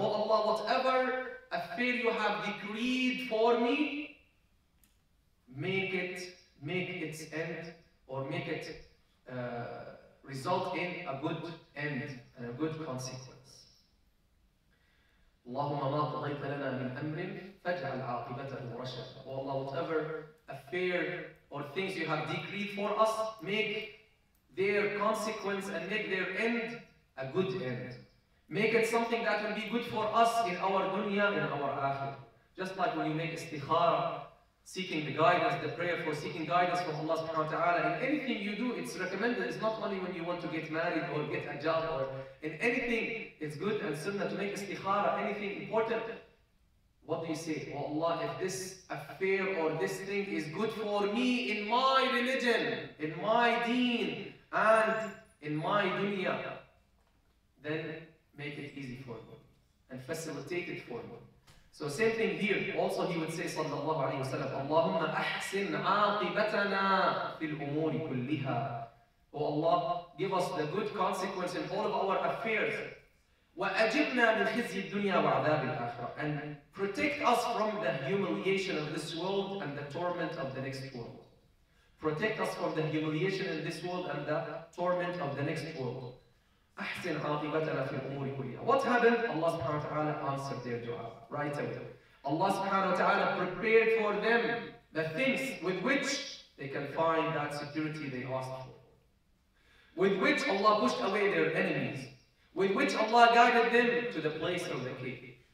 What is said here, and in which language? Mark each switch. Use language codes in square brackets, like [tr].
[en] Oh Allah, whatever affair you have decreed for me, make its end or make it result in a good end and a good consequence. [ar] اللهم ما قضيت لنا من أمر فاجعل عاقبته رشدا. [en] Oh Allah, whatever affair or things you have decreed for us, make their consequence and make their end a good end. Make it something that will be good for us in our dunya, in our akhir. Just like when you make istikhara, seeking the guidance, the prayer for seeking guidance from Allah subhanahu wa ta'ala. In anything you do, it's recommended. It's not only when you want to get married or get a job or in anything, it's good and sunnah to make istikhara, anything important. What do you say? Oh Allah, if this affair or this thing is good for me in my religion, in my deen, and in my dunya, then make it easy for me and facilitate it for me. So same thing here. Also he would say sallallahu alayhi wa sallam, [ar] اللهم أحسن عاقبتنا في الأمور كلها. [en] Oh Allah, give us the good consequence in all of our affairs. [ar] وأجبنا من خزي الدنيا وعذاب الآخرة. [en] And protect us from the humiliation of this world and the torment of the next world. Protect us from the humiliation in this world and the torment of the next world. [ar] أحسن عاقبتنا في الأمور كلها. [en] What happened? Allah subhanahu wa ta'ala answered their dua right away. Allah subhanahu wa ta'ala prepared for them the things with which they can find that security they asked for. With which Allah pushed away their enemies. With which Allah guided them to the place of the cave.